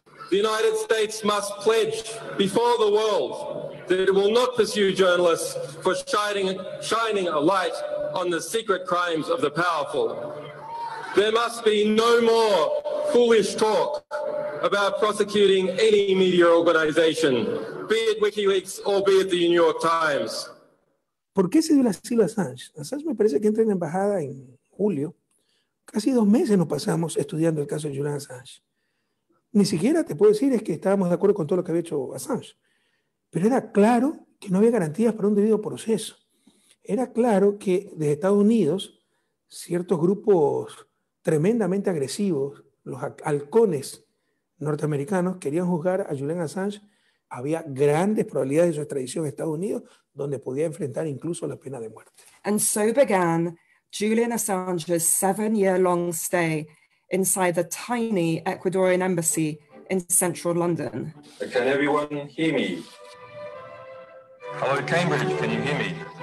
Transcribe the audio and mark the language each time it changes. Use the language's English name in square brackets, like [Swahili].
[English] The United States must pledge before the world that it will not pursue journalists for shining a light on the secret crimes of the powerful. There must be no more foolish talk about prosecuting any media organization, be it WikiLeaks or be it the New York Times. [Spanish] ¿Por qué se dio el asilo a Assange? Assange me parece que entra en la embajada en julio. Casi dos meses nos pasamos estudiando el caso de Julian Assange. Ni siquiera te puedo decir es que estábamos de acuerdo con todo lo que había hecho Assange. Pero era claro que no había garantías para un debido proceso. Era claro que desde Estados Unidos, ciertos grupos tremendamente agresivos, los halcones norteamericanos, querían juzgar a Julian Assange. Había grandes probabilidades de su extradición a Estados Unidos, donde podía enfrentar incluso la pena de muerte. [English] And so began Julian Assange's seven-year-long stay inside the tiny Ecuadorian embassy in central London. Can everyone hear me? Hello, Cambridge, can you hear me?